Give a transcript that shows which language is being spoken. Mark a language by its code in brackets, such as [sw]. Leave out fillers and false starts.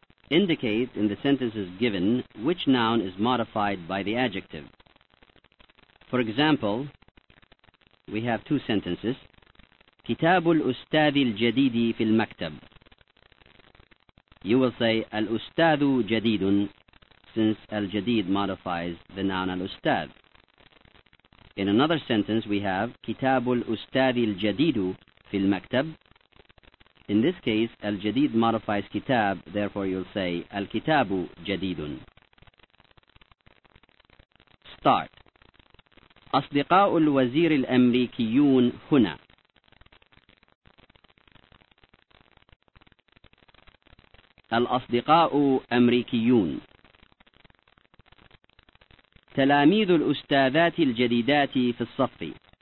[en] Indicate in the sentences given which noun is modified by the adjective. For example, we have two sentences. [ar] كتاب الأستاذ الجديد في المكتب. [en] You will say [ar] الأستاذ جديد, [en] since الجديد modifies the noun الأستاذ. In another sentence we have [ar] كتاب الأستاذ الجديد في المكتب. [en] In this case الجديد modifies كتاب, therefore you'll say [ar] الكتاب جديد. [en] Start. [ar] أصدقاء الوزير الأمريكيون هنا. الأصدقاء أمريكيون. تلاميذ الأستاذات الجديدات في الصف.